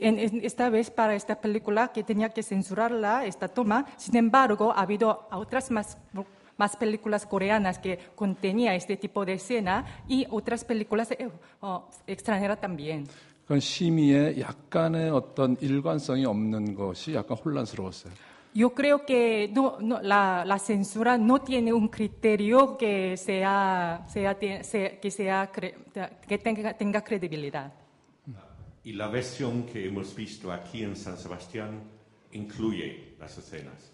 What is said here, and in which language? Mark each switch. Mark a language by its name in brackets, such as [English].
[Spanish] En esta vez para esta película que tenía que censurarla esta toma. Sin embargo, ha habido otras más películas coreanas que contenía este tipo de escena y otras películas extranjeras también. [Korean] 그 심의에 약간의 어떤 일관성이 없는 것이 약간 혼란스러웠어요. [Spanish] Yo creo que la censura no tiene un criterio que tenga credibilidad. Y la versión que hemos visto aquí en San Sebastián incluye las escenas.